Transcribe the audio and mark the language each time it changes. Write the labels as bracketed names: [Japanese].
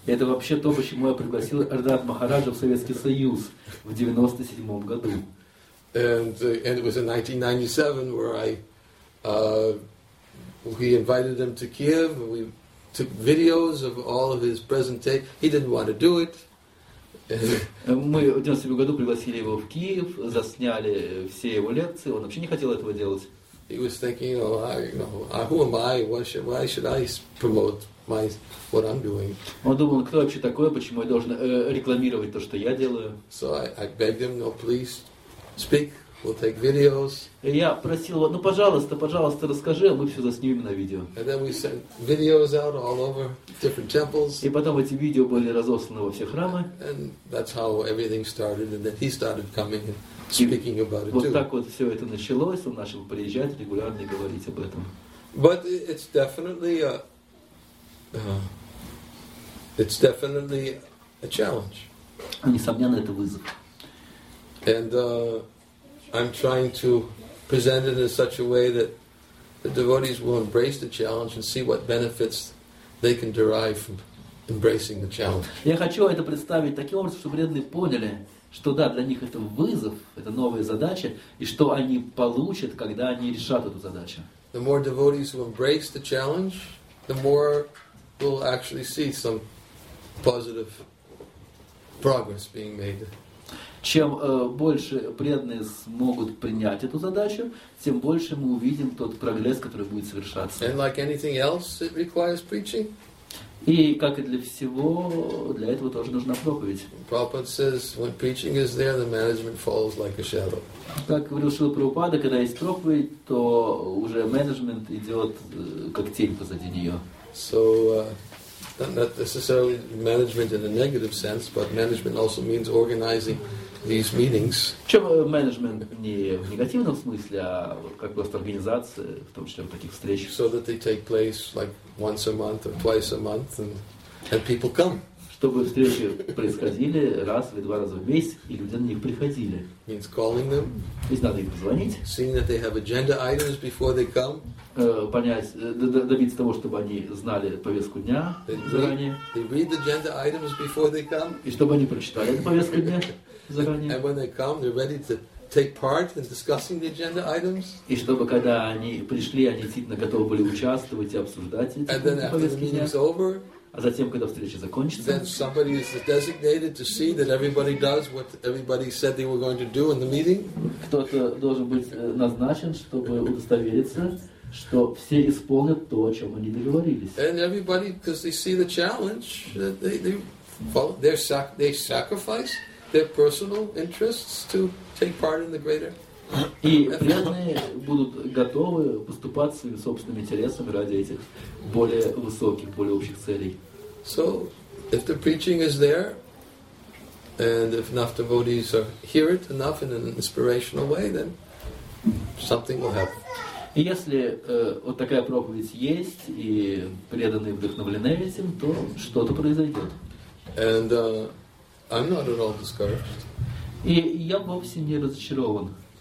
[Russian] Это вообще то, почему я пригласил Радханат Махараджа в Советский Союз в 97 году. [English] And it was in 1997 where we invited him to Kiev. We took videos of all of his presentations. He didn't want to do it. [Russian] Мы в 97 году пригласили его в Киев, засняли все его лекции. Он вообще не хотел этого делать. [English] He was thinking, who am I? Why should I promote what I'm doing? [Russian] Он думал, кто вообще такой, почему я должен рекламировать то, что я делаю? [English] So I begged him, please speak. We'll take videos. [Russian] Я просил его, пожалуйста, расскажи, а мы все заснимем на видео. [English] And then we sent videos out all over different temples. [Russian] И потом эти видео были разосланы во все храмы. [English] And that's how everything started, and then he started coming. Speaking about it вот too. [Russian] Так вот все это началось, он начал приезжать регулярно и говорить об этом. [English] But it's definitely a challenge. [Russian] Несомненно, это вызов. [English] And I'm trying to present it in such a way that the devotees will embrace the challenge and see what benefits they can derive from embracing the challenge. [Russian] Я хочу это представить таким образом, чтобы преданные поняли, что да, для них это вызов, это новая задача, и что они получат, когда они решат эту задачу. [English] The more devotees who embrace the challenge, the more we'll actually see some positive progress being made. [Russian] Чем больше преданные смогут принять эту задачу, тем больше мы увидим тот прогресс, который будет совершаться. [English] And like anything else, it requires preaching. [Russian] И как и для всего, для этого тоже нужна проповедь. [English] Prabhupada says, when preaching is there, the management falls like a shadow. [Russian] Как говорил Шрила Прабхупада, когда есть проповедь, то уже менеджмент идет как тень позади нее. [English] So, not necessarily management in a negative sense, but management also means organizing these meetings. [Russian] Чем менеджмент не в негативном смысле, а вот как просто организация, в том числе в таких встречах. [English] So that they take place like once a month or twice a month, and people come. [Russian] Чтобы встречи происходили раз или два раза в месяц, и люди на них приходили. [English] Means calling them. [Russian] То есть надо им позвонить. [English] Seeing that they have agenda items before they come. [Russian] Добиться того, чтобы они знали повестку дня заранее. [English] They read the agenda items before they come. [Russian] И чтобы они прочитали повестку дня заранее. [English] And when they come, they're ready to take part in discussing the agenda items. [Russian] И чтобы когда они пришли, они действительно готовы были участвовать и обсуждать эти повестки дня. [English] And then after the meeting's over. [Russian] А затем, когда встреча закончится, [English] then somebody is designated to see that everybody does what everybody said they were going to do in the meeting. [Russian] Кто-то должен быть назначен, чтобы удостовериться, что все исполнят то, о чем они договорились. [English] And everybody, because they see the challenge, they sacrifice their personal interests to take part in the greater. [Russian] И преданные будут готовы поступать своими собственными интересами ради этих более высоких, более общих целей. [English] So, if the preaching is there, and if enough devotees are hear it enough in an inspirational way, then something will happen. [Russian] И если вот такая проповедь есть, и преданные вдохновлены этим, то что-то произойдет. [English] And I'm not at all discouraged. [Russian] И я вовсе не разочарован.